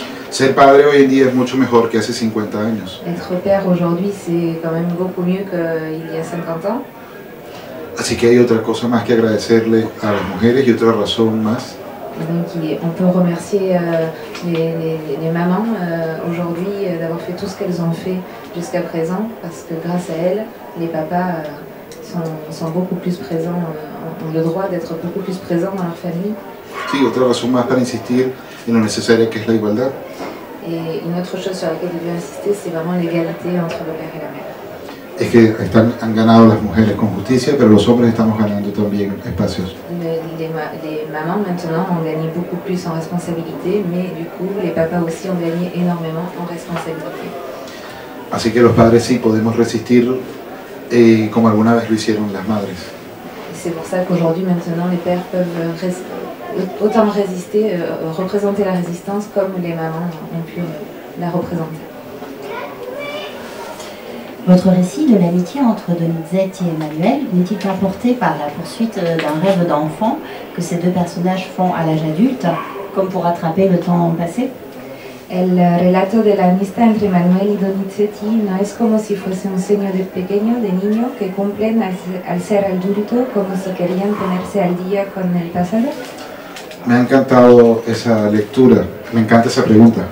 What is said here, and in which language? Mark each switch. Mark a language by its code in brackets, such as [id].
[es] Ser padre hoy en día es mucho mejor que hace 50 años. [fr] Être père aujourd'hui, c'est quand même beaucoup mieux qu'il y a 50 ans. [es] Así que hay otra cosa más que agradecerle a las mujeres y otra razón más. [fr] Donc, on peut remercier les mamans aujourd'hui d'avoir fait tout ce qu'elles ont fait jusqu'à présent, parce que grâce à elles, les papas sont beaucoup plus présents, ont le droit d'être beaucoup plus présents dans leur famille. [es] Sí, otra razón más para insistir en lo necesaria que es la igualdad. [fr] Et une autre chose sur laquelle je veux insister, c'est vraiment l'égalité entre le père et la mère. [es] Es que han ganado las mujeres con justicia, pero los hombres estamos ganando también espacios. [fr] Les mamans maintenant ont gagné beaucoup plus en responsabilité, mais du coup les papas aussi ont gagné énormément en responsabilité. [es] Así que los padres sí podemos resistir, como alguna vez lo hicieron las madres. [fr] C'est pour ça qu'aujourd'hui maintenant les pères peuvent autant résister, représenter la résistance comme les mamans ont pu la représenter. Votre récit de l'amitié entre Donizetti et Emmanuel est-il emporté par la poursuite d'un rêve d'enfant que ces deux personnages font à l'âge adulte, comme pour rattraper le temps passé? [es] El relato de la amistad entre Emmanuel y Donizetti no es como si fuese un sueño de pequeño, de niño, que cumplen al ser adulto, como si querían ponerse al día con el pasado. Me ha encantado esa lectura, me encanta esa pregunta.